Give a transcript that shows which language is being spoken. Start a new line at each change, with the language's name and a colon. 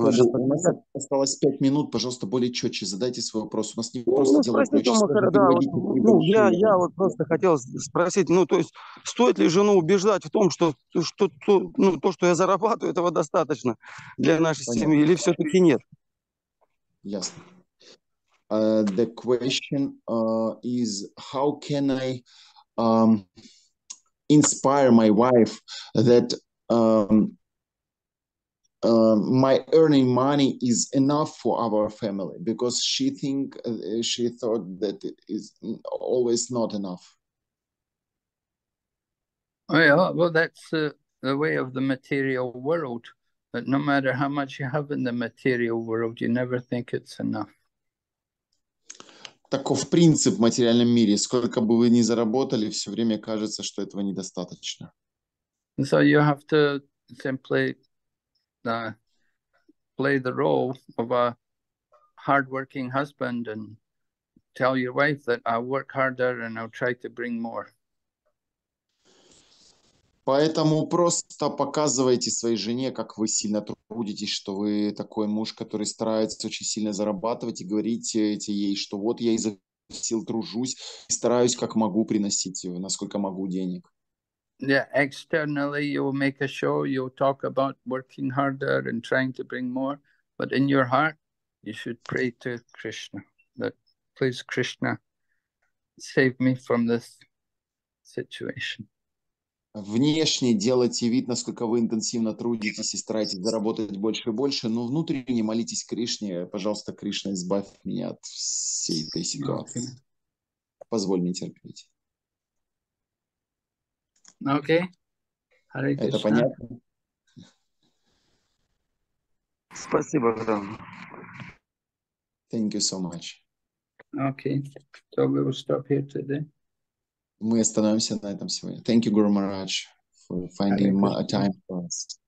Russian: Шай, думаю, у нас осталось 5 минут, пожалуйста, более четче задайте свой вопрос. У нас не просто ну, дело в да, вот, ну, я вот просто хотел спросить, ну, то есть, стоит ли жену убеждать в том, что, что то, ну, то, что я зарабатываю, этого достаточно для нашей Понятно. Семьи, или все-таки нет? Ясно.
English: The question is, how can I inspire my wife that my earning money is enough for our family, because she think she thought that it is always not enough. Oh, yeah, well, that's the way of the material world, that no matter how much you have in the material world, you never think it's enough.
Russian: Таков принцип в материальном мире. Сколько бы вы ни заработали, все время кажется, что этого недостаточно.
English: And so you have to simply play the role of a hard-working husband and tell your wife that I'll work harder and I'll try to bring more.
Russian: Поэтому просто показывайте своей жене, как вы сильно трудитесь, что вы такой муж, который старается очень сильно зарабатывать, и говорите ей, что вот я изо всех сил тружусь, и стараюсь как могу приносить, насколько могу денег.
English: Yeah, externally you will make a show, you'll talk about working harder and trying to bring more, but in your heart you should pray to Krishna that please Krishna save me from this situation.
Russian: Внешне делайте вид, насколько вы интенсивно трудитесь и стараетесь заработать больше и больше, но внутренне молитесь Кришне, пожалуйста, Кришна, избавь меня от всей этой ситуации. Okay. Позволь мне терпеть. Окей. Okay. Это понятно? Спасибо.
English: Thank you so much. Okay. So we will stop here today.
Russian: Мы остановимся на этом сегодня.
English: Thank you, Guru Maharaj, for finding a time for us.